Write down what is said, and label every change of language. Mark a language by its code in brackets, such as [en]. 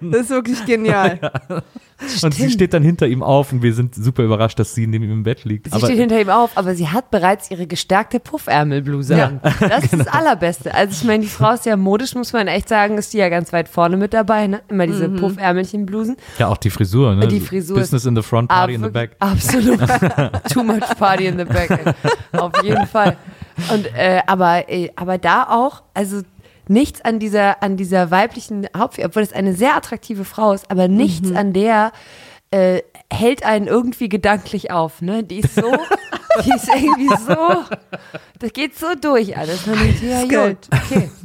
[de] Ja, das ist wirklich genial. Ja. Und sie steht dann hinter ihm auf und wir sind super überrascht, dass sie neben ihm im Bett liegt. Sie aber steht hinter ihm auf, aber sie hat bereits ihre gestärkte Puffärmelbluse ja. an. Das genau. ist das Allerbeste. Also ich meine, die Frau ist ja modisch, muss man echt sagen, ist die ja ganz weit vorne mit dabei. Ne? Immer diese mhm. Puffärmelchenblusen. Ja, auch die Frisur. Ne? Die Frisur. [en] Business in the front, party in the back. [de] Absolut. [en] Too much party in the back. [de] Auf jeden Fall. Und aber da auch, also nichts an dieser weiblichen Hauptfigur, obwohl es eine sehr attraktive Frau ist, aber nichts mhm. an der hält einen irgendwie gedanklich auf. Ne? Die ist so, die ist irgendwie so, das geht so durch alles. Man denkt, ja, gut, okay.